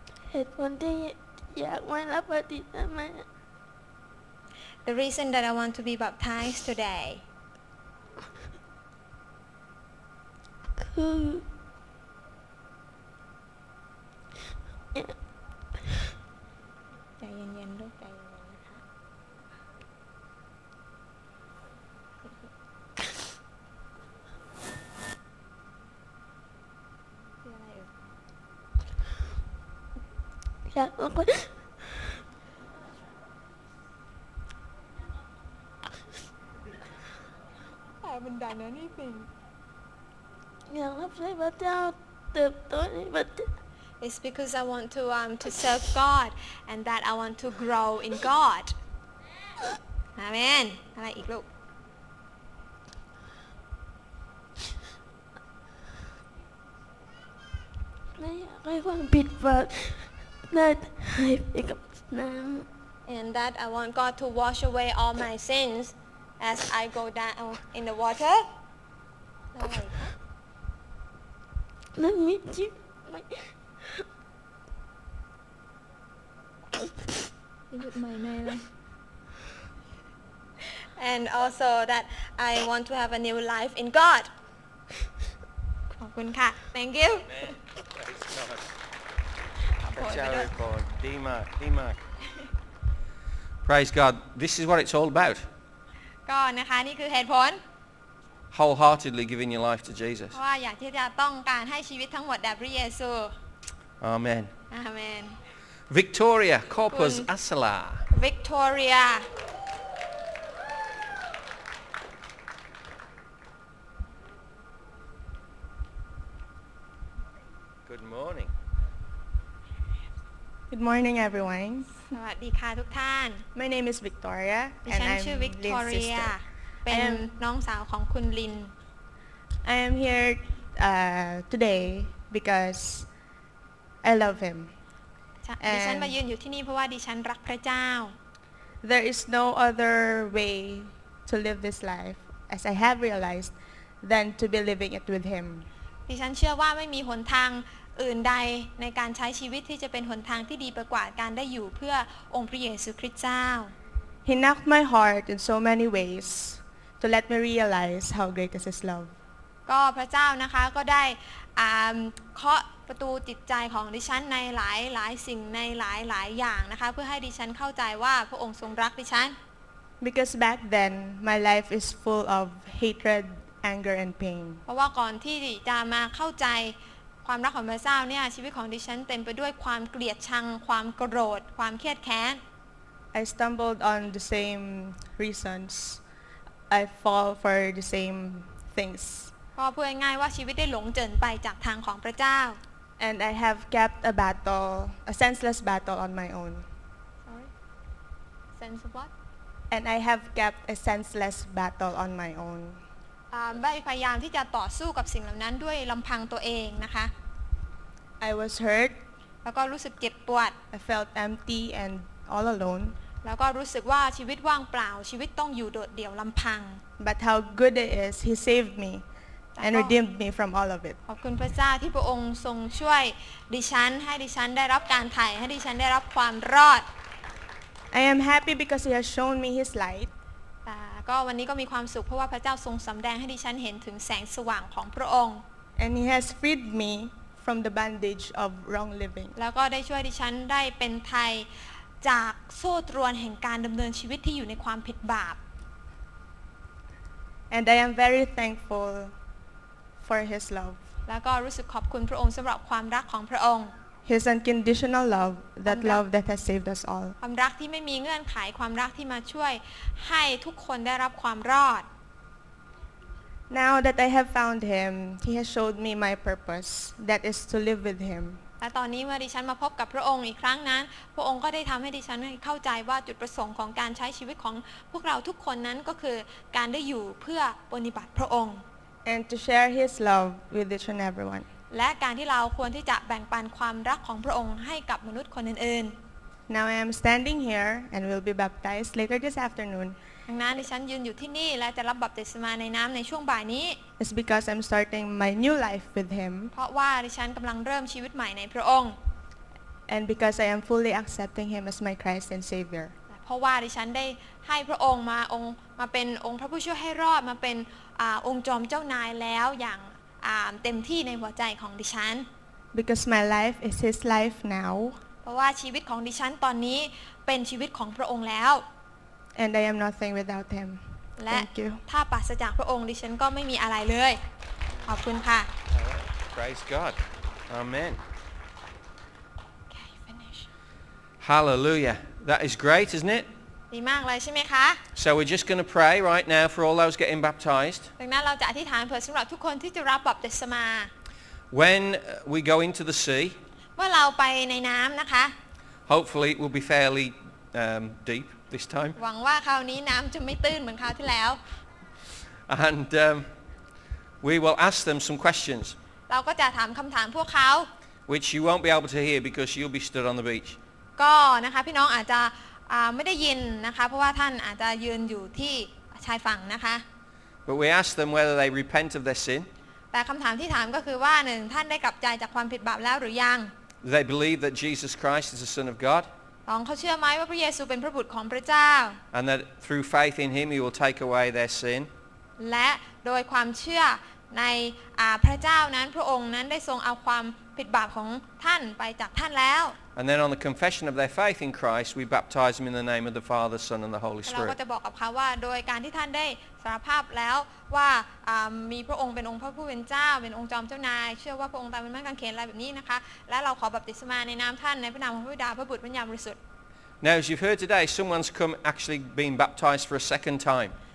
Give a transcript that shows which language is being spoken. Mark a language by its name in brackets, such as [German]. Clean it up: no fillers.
[Thai] เหตุผลที่อยากมารับปฏิญญาไหม [English] The reason that I want to be baptized today [Thai] คือ ใจเย็นๆด้วยใจ อยากโอ้โ หแต่มันดันอะนี่สิ อยากรับใช้พระเจ้าเติบโตในพระเจ้า [English] It's because I want to serve God and that I want to grow in God Amen [Thai] อะไรอีกลูก ไม่อยากให้ความผิดพลาด [English] That I pick up now. And that I want God to wash away all my sins as I go down in the water. Let me do my... And also that I want to have a new life in God. Thank you. Amen. Praise God. Praise God. This is what it's all about. [Thai] God, นะคะ นี่คือเหตุผล [English] Wholeheartedly giving your life to Jesus. [Thai] ว่าอยากที่จะต้องการให้ชีวิตทั้งหมดแด่พระเยซู [English] Amen. Amen. Victoria Corpus Asala. Victoria. Good morning. Good morning, everyone. [Thai] สวัสดีค่ะทุกท่าน [English] My name is Victoria, and I'm ชื่อ Victoria. [Thai] เป็นน้องสาวของคุณลิน [English] I am here today because I love him. [Thai] ดิฉันมายืนอยู่ที่นี่เพราะว่าดิฉันรักพระเจ้า [English] There is no other way to live this life, as I have realized, than to be living it with him. [Thai] ดิฉันเชื่อว่าไม่มีหนทางอื่นใดในการใช้ชีวิตที่จะเป็นหนทางที่ดีกว่าการได้อยู่เพื่อองค์พระเยซูคริสต์เจ้า [English] He knocked my heart in so many ways to let me realize how great is his love [Thai] ก็พระเจ้านะคะก็ได้เคาะประตูจิตใจของดิฉันในหลายหลายสิ่งในหลายหลายอย่างนะคะเพื่อให้ดิฉันเข้าใจว่าพระองค์ทรงรักดิฉัน [English] Because back then my life is full of hatred anger and pain [Thai] เพราะว่าก่อนที่จะมาเข้าใจความรักของพระเจ้าเนี่ยชีวิตของดิฉันเต็มไปด้วยความเกลียดชังความโกรธความเครียดแค้น [English] I stumbled on the same reasons I fall for the same things [Thai] ก็พูดง่ายๆว่าชีวิตได้หลงเจินไปจากทางของพระเจ้า [English] And I have kept a battle a senseless battle on my own Sorry sense of what And I have kept a senseless battle on my own [Thai] ไม่พยายามที่จะต่อสู้กับสิ่งเหล่านั้นด้วยลำพังตัวเองนะคะ [English] I was hurt [Thai] แล้วก็รู้สึกเจ็บปวด [English] I felt empty and all alone [Thai] แล้วก็รู้สึกว่าชีวิตว่างเปล่าชีวิตต้องอยู่โดดเดี่ยวลำพัง [English] But how good it is he saved me and redeemed me from all of it [Thai] ขอบคุณพระเจ้าที่พระองค์ทรงช่วยดิฉันให้ดิฉันได้รับการไถ่ให้ดิฉันได้รับความรอด [English] I am happy because he has shown me his light [Thai] ก็วันนี้ก็มีความสุขเพราะว่าพระเจ้าทรงสำแดงให้ดิฉันเห็นถึงแสงสว่างของพระองค์ [English] And he has freed me from the bondage of wrong living [Thai] แล้วก็ได้ช่วยดิฉันได้เป็นไทยจากโซ่ตรวนแห่งการดำเนินชีวิตที่อยู่ในความผิดบาป [English] And I am very thankful for his love [Thai] แล้วก็รู้สึกขอบคุณพระองค์สำหรับความรักของพระองค์ [English] His unconditional love, that love that has saved us all. [Thai] ความรักที่ไม่มีเงื่อนไขความรักที่มาช่วยให้ทุกคนได้รับความรอด [English] Now that I have found him, he has showed me my purpose, that is to live with him. [Thai] และตอนนี้เมื่อดิฉันมาพบกับพระองค์อีกครั้งนั้นพระองค์ก็ได้ทำให้ดิฉันเข้าใจว่าจุดประสงค์ของการใช้ชีวิตของพวกเราทุกคนนั้นก็คือการได้อยู่เพื่อปฏิบัติพระองค์ [English] And to share his love with each and everyone. [Thai] และการที่เราควรที่จะแบ่งปันความรักของพระองค์ให้กับมนุษย์คนอื่น [English] ๆ Now I am standing here and will be baptized later this afternoon [Thai] ดังนั้นดิฉันยืนอยู่ที่นี่และจะรับบัพติศมาในน้ำในช่วงบ่ายนี้ [English] It's because I'm starting my new life with him [Thai] เพราะว่าดิฉันกำลังเริ่มชีวิตใหม่ในพระองค์ [English] And because I am fully accepting him as my Christ and Savior [Thai] เพราะว่าดิฉันได้ให้พระองค์มาเป็นองค์พระผู้ช่วยให้รอดมาเป็นองค์จอมเจ้านายแล้วอย่างเต็มที่ในหัวใจของดิฉัน [English] Because my life is his life now [Thai] เพราะว่าชีวิตของดิฉันตอนนี้เป็นชีวิตของพระองค์แล้ว [English] And I am nothing without him [Thai] และถ้าปราศจากพระองค์ดิฉันก็ไม่มีอะไรเลยขอบคุณค่ะ [English] Praise God Amen Okay finish Hallelujah That is great isn't it [Thai] ดีมากเลยใช่ไหมคะ [English] So we're just going to pray right now for all those getting baptized. [Thai] ดังนั้นเราจะอธิษฐานเพื่อสำหรับทุกคนที่จะรับบัพติศมา [English] When we go into the sea. [Thai] เมื่อเราไปในน้ำนะคะ [English] Hopefully it will be fairly deep this time. [Thai] หวังว่าคราวนี้น้ำจะไม่ตื้นเหมือนคราวที่แล้ว [English] And we will ask them some questions. [Thai] เราก็จะถามคำถามพวกเขา [English] Which you won't be able to hear because you'll be stood on the beach. [Thai] ก็นะคะพี่น้องอาจจะไม่ได้ยินนะคะเพราะว่าท่านอาจจะยืนอยู่ที่ชายฝั่งนะคะ [English] But we ask them whether they repent of their sin [Thai] แต่คำถามที่ถามก็คือว่าหนึ่งท่านได้กลับใจจากความผิดบาปแล้วหรือยัง [English] They believe that Jesus Christ is the Son of God [Thai] สองเขาเชื่อไหมว่าพระเยซูเป็นพระบุตรของพระเจ้า [English] And that through faith in him he will take away their sin [Thai] และโดยความเชื่อในพระเจ้านั้นพระองค์นั้นได้ทรงเอาความผิดบาปของท่านไปจากท่านแล้ว [English] And then on the confession of their faith in Christ, we baptize them in the name of the Father, Son, and the Holy Spirit. [Thai] เราก็จะบอกกับเขาว่าโดยการที่ท่านได้สารภาพแล้วว่ามีพระองค์เป็นองค์พระผู้เป็นเจ้าเป็นองค์จอมเจ้านายเชื่อว่าพระองค์ตายบนไม้กางเขนอะไรแบบนี้นะคะและเราขอบัพติศมาในนามท่านในพระนามของพระบิดาพระบุตรพระวิญญาณบริสุทธิ์ [English] Now, as you've heard today, someone's come actually being baptized for a second time.